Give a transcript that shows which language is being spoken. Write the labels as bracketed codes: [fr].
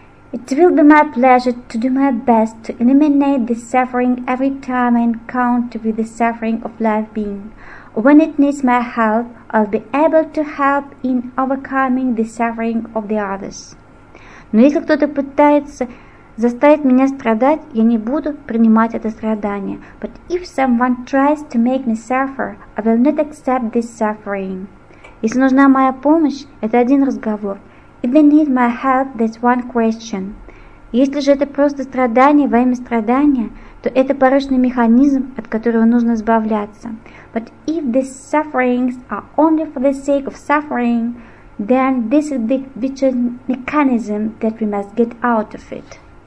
[en] It will be my pleasure to do my best to eliminate the suffering every time I encounter with the suffering of life being. When it needs my help, I'll be able to help in overcoming the suffering of the others. [ru] Но если кто-то пытается заставить меня страдать, я не буду принимать это страдание. [en] But if someone tries to make me suffer, I will not accept this suffering. [ru] Если нужна моя помощь, это один разговор. [en] If they need my help, that's one question. [ru] Если же это просто страдание во имя страдания, то это порочный механизм, от которого нужно избавляться. [en] But if these sufferings are only for the sake of suffering, then this is the vicious mechanism that we must get out of it.